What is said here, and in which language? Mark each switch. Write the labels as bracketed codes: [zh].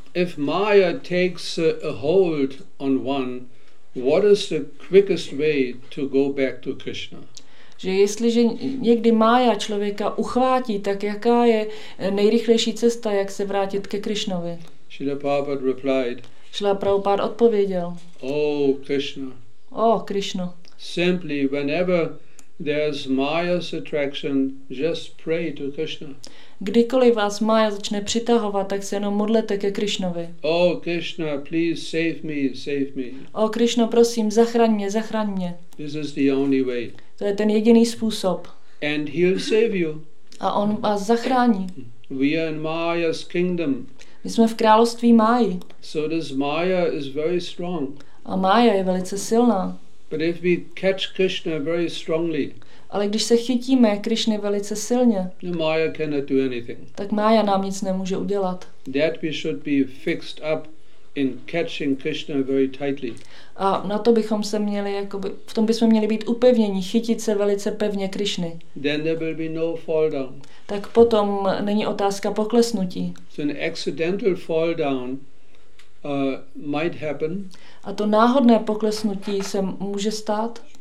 [en] If Maya takes a hold on one, what is the quickest way to go back to Krishna? [cs] Že jestliže někdy mája člověka uchvátí, tak jaká je nejrychlejší cesta, jak se vrátit ke Krishnovi? [en] Srila Prabhupada replied. [cs] Srila Prabhupada odpověděl. [en] Oh Krishna. Oh Krishna. Simply whenever there's Maya's attraction, just pray to Krishna. [cs] Kdykoliv vás mája začne přitahovat, tak se jenom modlete ke Krishnovi. [en] Oh Krishna, please save me, save me. [cs] Oh Krishna, prosím, zachraň mě, zachraň mě. [en] This is the only way. [cs] To je ten jediný způsob. [en] And he'll save you. [cs] A on vás zachrání. [en] We are in Maya's kingdom. [cs] My jsme v království Máji. [en] So this Maya is very strong. [cs] A Maya je velice silná. [en] But if we catch Krishna very strongly. [cs] Ale když se chytíme Krishny velice silně. [en] Maya cannot do anything. [cs] Tak Maya nám nic nemůže udělat. [en] That we should be fixed up in catching Krishna very tightly. [cs] A na to bychom se měli jakoby, v tom bychom měli být upevněni, chytit se velice pevně Krishny. [en] Then there will be no fall down. [cs] Tak potom není otázka poklesnutí. [en] So an accidental fall down might happen. [cs] A to náhodné poklesnutí se může stát.